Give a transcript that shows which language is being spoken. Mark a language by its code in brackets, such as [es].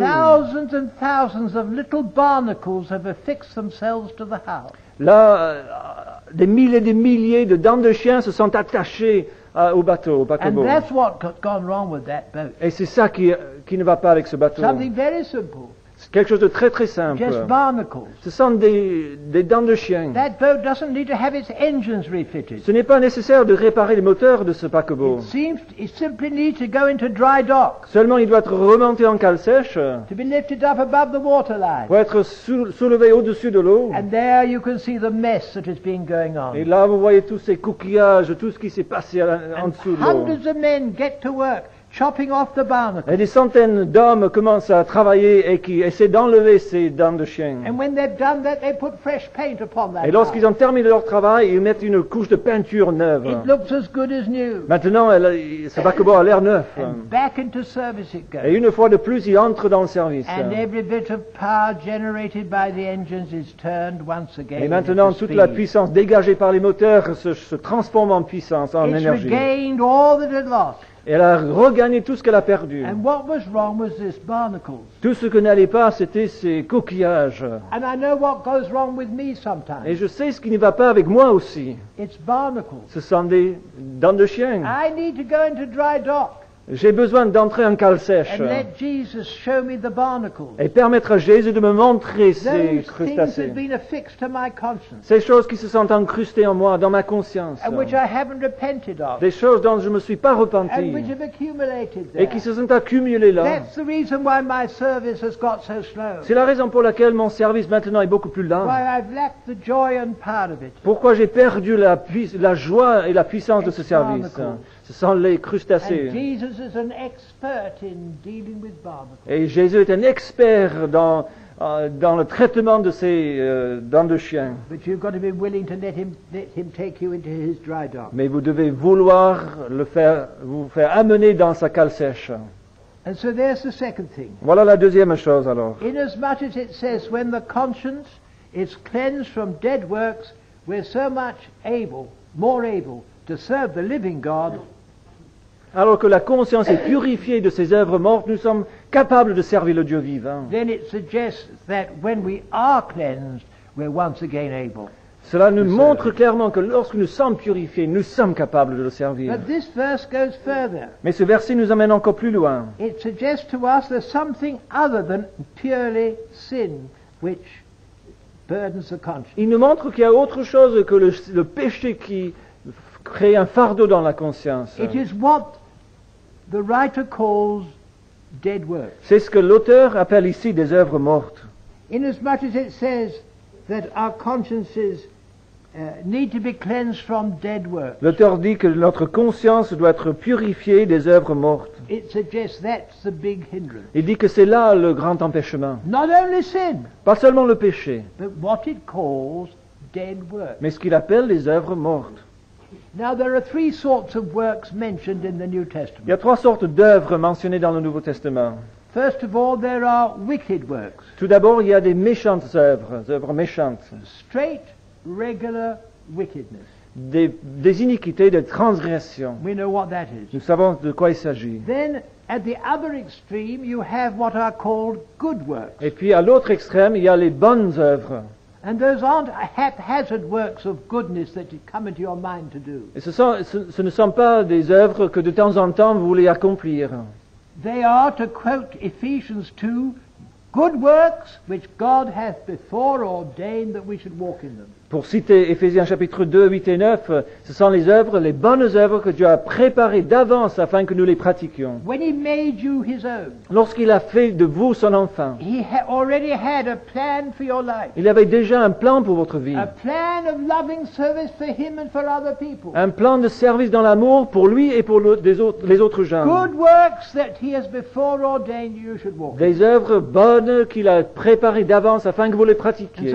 [en] Thousands and thousands of little barnacles have affected themselves to the house. [fr] Là, des milliers et des milliers de dents de chien se sont attachées au paquebot. [en] And that's what gone wrong with that boat. [fr] Et c'est ça qui ne va pas avec ce bateau. [en] Something very simple. [fr] C'est quelque chose de très très simple. [en] Just barnacles. [fr] Ce sont des dents de chien. [en] That boat doesn't need to have its engines refitted. [fr] Ce n'est pas nécessaire de réparer les moteurs de ce paquebot. [en] It simply needs to go into dry dock. [fr] Seulement, il doit être remonté en cale sèche. [en] To be lifted up above the waterline. [fr] Pour être soulevé au-dessus de l'eau. [en] And there you can see the mess that has been going on. [fr] Et là, vous voyez tous ces coquillages, tout ce qui s'est passé en dessous de l'eau. [en] Hundreds of men get to work. Chopping off the barnacles. [fr] Et des centaines d'hommes commencent à travailler et qui essaient d'enlever ces dents de chien. [en] And when they've done that, they put fresh paint upon that. [fr] Et lorsqu'ils ont terminé leur travail, ils mettent une couche de peinture neuve. [en] It looks as good as new. [fr] Maintenant, ce paquebot a l'air neuf. [en] And back into service it goes. [fr] Et une fois de plus, il entre dans le service. [en] And every bit of power generated by the engines is turned once again. [fr] Et maintenant, toute la puissance dégagée par les moteurs se transforme en puissance, en énergie. [en] It's regained all that it lost. [fr] Elle a regagné tout ce qu'elle a perdu. [en] And what was wrong was this barnacles. [fr] Tout ce que n'allait pas, c'était ces coquillages. [en] And I know what goes wrong with me sometimes. [fr] Et je sais ce qui ne va pas avec moi aussi. [en] It's barnacles. [fr] Ce sont des dents de chien. [en] I need to go into dry dock. [fr] J'ai besoin d'entrer en cale sèche. [en] And let Jesus show me the barnacles. [fr] Et permettre à Jésus de me montrer ces crustacés. [en] Those things have been affixed to my conscience. [fr] Ces choses qui se sont incrustées en moi, dans ma conscience. [en] And which I haven't repented of. [fr] Des choses dont je ne me suis pas repenti. [en] And which have accumulated there. [fr] Et qui se sont accumulées là. [en] That's the reason why my service has got so slow. [fr] C'est la raison pour laquelle mon service maintenant est beaucoup plus lent. [en] Why I've lacked the joy and part of it. [fr] Pourquoi j'ai perdu la joie et la puissance [en] it's [fr] de ce service. [en] Barnacles. [fr] Ce sont les crustacés. [en] And Jesus is an expert in dealing with barnacles. [fr] Et Jésus est un expert dans le traitement de ces dents de chien. [en] But you've got to be willing to let him take you into his dry dock. [fr] Mais vous devez vouloir vous faire amener dans sa cale sèche. [en] And so there's the second thing. [fr] Voilà la deuxième chose alors. [en] Inasmuch as it says, when the conscience is cleansed from dead works, we're so much able, more able. To serve the living God. [fr] Alors que la conscience est purifiée de ses œuvres mortes, nous sommes capables de servir le Dieu vivant. [en] Then it suggests that when we are cleansed, we're once again able. [fr] Cela nous montre clairement que lorsque nous sommes purifiés, nous sommes capables de le servir. [en] But this verse goes further. [fr] Mais ce verset nous amène encore plus loin. [en] It suggests to us there's something other than purely sin which burdens the conscience. [fr] Il nous montre qu'il y a autre chose que le péché qui crée un fardeau dans la conscience. [en] It is what the writer calls dead works. [fr] C'est ce que l'auteur appelle ici des œuvres mortes. [en] Inasmuch as it says that our consciences need to be cleansed from dead works. [fr] L'auteur dit que notre conscience doit être purifiée des œuvres mortes. [en] It suggests that's the big hindrance. [fr] Il dit que c'est là le grand empêchement. [en] Not only sin. [fr] Pas seulement le péché. [en] But what it calls dead works. [fr] Mais ce qu'il appelle les œuvres mortes. [en] Now there are three sorts of works mentioned in the New Testament. [fr] Il y a trois sortes d'œuvres mentionnées dans le Nouveau Testament. [en] First of all, there are wicked works. [fr] Tout d'abord, il y a des méchantes œuvres, œuvres méchantes. [en] Straight, regular wickedness. [fr] Des iniquités, des transgressions. [en] We know what that is. [fr] Nous savons de quoi il s'agit. [en] Then, at the other extreme, you have what are called good works. [fr] Et puis, à l'autre extrême, il y a les bonnes œuvres. [en] And those aren't haphazard works of goodness that you come into your mind to do. [fr] Et ce ne sont pas des œuvres que de temps en temps vous voulez accomplir. [en] They are, to quote Ephesians 2, good works which God hath before ordained that we should walk in them. [fr] Pour citer Ephésiens chapitre 2, 8 et 9, ce sont les œuvres, les bonnes œuvres que Dieu a préparées d'avance afin que nous les pratiquions. [en] When he made you his own, [fr] lorsqu'il a fait de vous son enfant, [en] he already had a plan for your life. [fr] Il avait déjà un plan pour votre vie. [en] A plan of loving service for him and for other people. [fr] Un plan de service dans l'amour pour lui et pour les autres gens. [en] Good works that he has before ordained you should walk. [fr] Des œuvres bonnes qu'il a préparées d'avance afin que vous les pratiquiez.